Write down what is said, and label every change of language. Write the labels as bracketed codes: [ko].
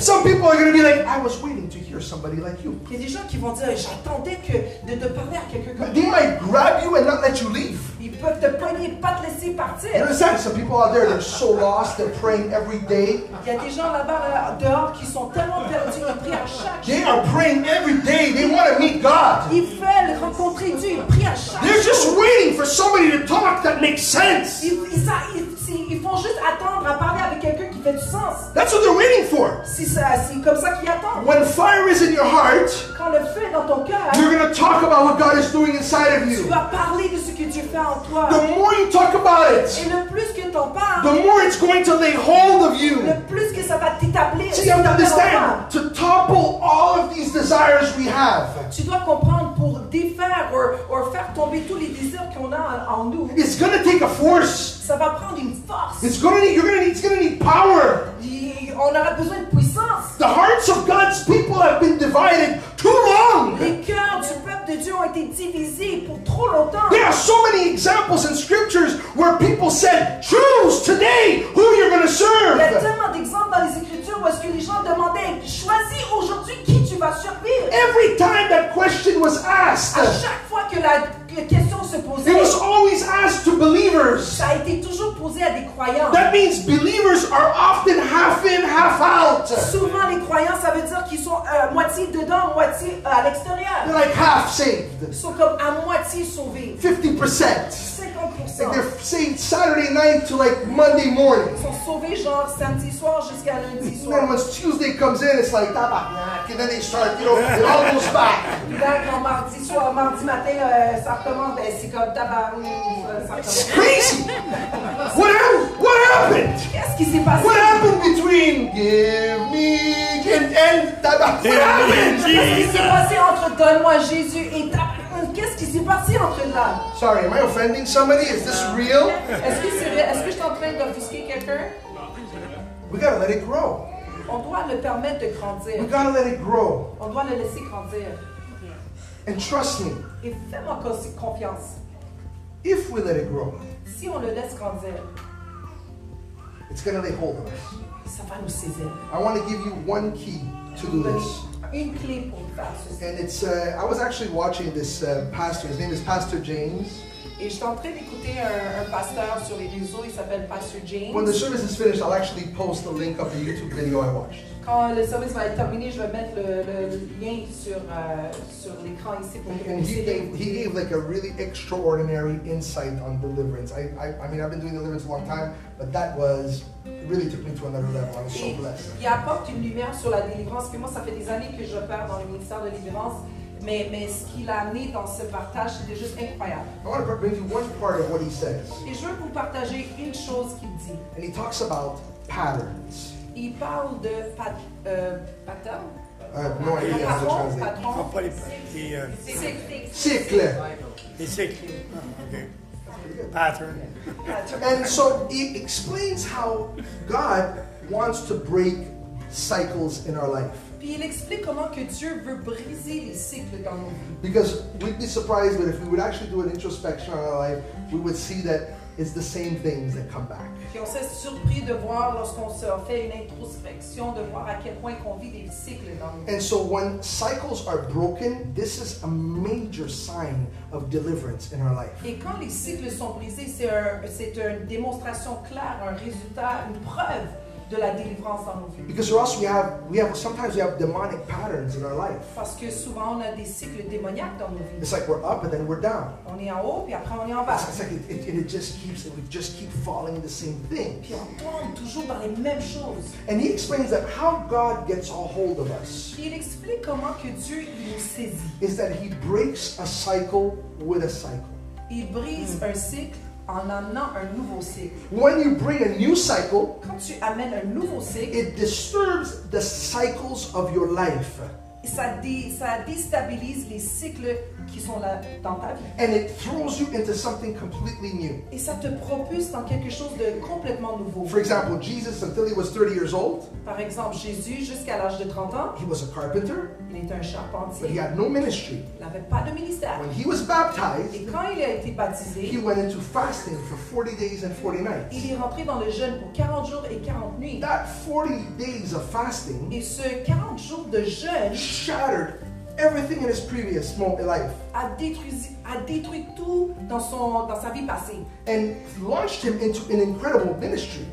[en] Some people are going to be like, I was waiting to hear somebody like you. [fr] Il y a des gens qui vont dire, j'attendais que de parler à quelqu'un comme [en] They might grab you and not let you leave. [fr] Ils peuvent te poigner et pas te laisser partir. [en] You understand? Some people out there, they're so lost, they're praying every day. [fr] Il y a des gens là-bas dehors qui sont tellement perdus, ils prient à chaque jour. [en] They are praying every day. They want to meet God. [fr] Ils veulent rencontrer Dieu. Ils prient à chaque jour. [en] They're just waiting for somebody to talk that makes sense. [fr] Ils font juste attendre à parler avec quelqu'un qui fait du sens. sens. [en] That's what they're waiting for. [fr] C'est comme ça qu'ils attendent. [en] When fire is in your heart, [fr] quand le feu est dans ton cœur, [en] you're going to talk about what God is doing inside of you. [fr] Tu vas parler de ce que Dieu fait en toi. [en] The more you talk about it, [fr] et le plus que t'en parles, [en] the more it's going to lay hold of you. [fr] Le plus que ça va t'établir. [en] See, you understand? To topple all of these desires we have. [fr] Tu dois comprendre pour défaire or faire tomber tous les désirs qu'on a en nous. [en] It's going to take a force. [fr] Ça va prendre une force. [en] It's going to need power. [fr] On aura besoin de puissance. [en] The hearts of God's people have been divided too long. [fr] Les cœurs du peuple de Dieu ont été divisés pour trop longtemps. [en] There are so many examples in scriptures where people said, choose today who you're going to serve. [fr] Il y a tellement d'exemples dans les écritures où est-ce que les gens demandaient, choisis aujourd'hui qui tu vas servir. [en] Every time that question was asked, [fr] à chaque fois que la question se posait, [en] it was always asked to believers. [fr] Ça a été toujours posé à des croyants. [en] That means believers are often half in, half out. [fr] Souvent les croyants, ça veut dire qu'ils sont moitié dedans, moitié à l'extérieur. [en] They're like half saved. [fr] Ils sont comme à moitié sauvés. [en] 50%. [fr] 50%. [en] Like they're saved Saturday night to like Monday morning. [fr] Ils sont sauvés genre samedi soir jusqu'à lundi soir. [en] And then once Tuesday comes in, it's like tabarnak, and then they start, you know, it all goes back. [fr] Mardi soir, mardi matin, [en] it's crazy. What happened? [fr] Qu'est-ce qui s'est passé? [en] What happened between give me and tabac? What happened? [fr] Qu'est-ce qui s'est passé entre donne-moi Jésus et tabac? Qu'est-ce qui s'est passé entre là? [en] Sorry, am I offending somebody? Is this real? [fr] Est-ce que je suis en train d'offusquer quelqu'un? [en] We gotta let it grow. [fr] On doit le permettre de grandir. [en] We gotta let it grow. [fr] On doit le laisser grandir. [en] And trust me. [fr] Et fais-moi confiance. [en] If we let it grow, [fr] si on le laisse grandir, [en] it's going to lay hold of us. [fr] Ça va nous saisir. [en] I want to give you one key to do this. [fr] Une clé pour faire ceci. [en] And it's I was actually watching this pastor. His name is Pastor James. [fr] Et j'étais en train d'écouter un pasteur sur les réseaux. Il s'appelle Pastor James. [en] When the service is finished, I'll actually post the link of the YouTube video I watched. [fr] Quand le service va être terminé, je vais mettre le lien sur l'écran ici pour que vous puissiez. [en] He gave like a really extraordinary insight on deliverance. I mean, I've been doing deliverance a long time, but that was really took me to another level. I'm so blessed. [fr] Il apporte une lumière sur la délivrance. Puis moi, ça fait des années que je perds dans le ministère de délivrance. Mais ce qu'il a amené dans ce partage, c'était juste incroyable. [en] I want to bring you one part of what he says. [fr] Et je veux vous partager une chose qu'il dit. [en] And he talks about patterns. [fr] Il parle de pattern. Non, il a pas traduit. Patron. Pas les patterns. Cycle. Les cycles. Okay. Pattern. [en] And so he explains how God wants to break cycles in our life. [fr] Puis il explique comment que Dieu veut briser les cycles dans nos vies. [en] Because we'd be surprised, but if we would actually do an introspection on our life, we would see that it's the same things that come back. [fr] Puis on s'est surpris de voir lorsqu'on se fait une introspection, de voir à quel point qu'on vit des cycles dans nos vies. [en] And so when cycles are broken, this is a major sign of deliverance in our life. [fr] Et quand les cycles sont brisés, c'est une démonstration claire, un résultat, une preuve. De la délivrance dans nos vies. [en] Because or else we have sometimes demonic patterns in our life. [fr] Parce que souvent on a des cycles démoniaques dans nos vies. [en] It's like we're up and then we're down. [fr] On est en haut puis après on est en bas. [en] It's like it just keeps and we just keep falling the same thing. [fr] Puis on tombe toujours dans les mêmes choses. [en] And he explains that how God gets a hold of us. [fr] Il explique comment que Dieu il nous saisit. [en] Is that he breaks a cycle with a cycle. [fr] Il brise un cycle. En amenant un nouveau cycle. [en] When you bring a new cycle, [fr] quand tu amènes un nouveau cycle, [en] it disturbs the cycles of your life. [fr] Ça déstabilise les cycles qui sont là dans ta vie. [en] And it throws you into something completely new. [fr] Et ça te propulse dans quelque chose de complètement nouveau. [en] For example, Jesus, until he was 30 years old, [fr] par exemple, Jésus, jusqu'à l'âge de 30 ans, [en] he was a carpenter. [fr] Il était un charpentier. [en] But he had no ministry. [fr] Il n'avait pas de ministère. [en] When he was baptized, [fr] et quand il a été baptisé, [en] he went into fasting for 40 days and 40 nights. [fr] Il est rentré dans le jeûne pour 40 jours et 40 nuits. [en] That 40 days of fasting, [fr] et ce 40 jours de jeûne, [en] shattered everything in his previous life. [fr] A détruit tout dans sa vie passée. [en] And launched him into an incredible ministry.